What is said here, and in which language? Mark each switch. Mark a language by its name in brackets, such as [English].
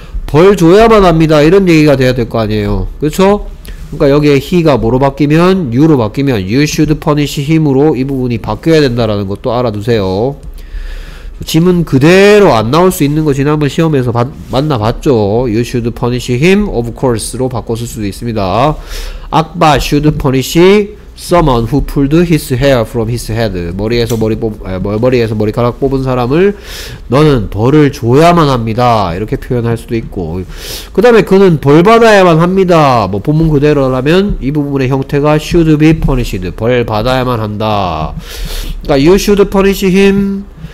[Korean] 벌 줘야만 합니다. 이런 얘기가 돼야 될 거 아니에요. 그렇죠? 그러니까 여기에 he가 뭐로 바뀌면 you로 바뀌면 [English] you should punish him [Korean] 으로 이 부분이 바뀌어야 된다라는 것도 알아두세요. 지문 그대로 안 나올 수 있는 거 지난번 시험에서 만나봤죠. [English] You should punish him, of course로 [Korean] 바꿨을 수도 있습니다. [English] 아빠 should punish someone who pulled his hair from his head. [Korean] 머리에서 머리카락 뽑은 사람을 너는 벌을 줘야만 합니다. 이렇게 표현할 수도 있고. 그 다음에 그는 벌 받아야만 합니다. 뭐 본문 그대로라면 이 부분의 형태가 [English] should be punished. [Korean] 벌 받아야만 한다. 그러니까 [English] you should punish him.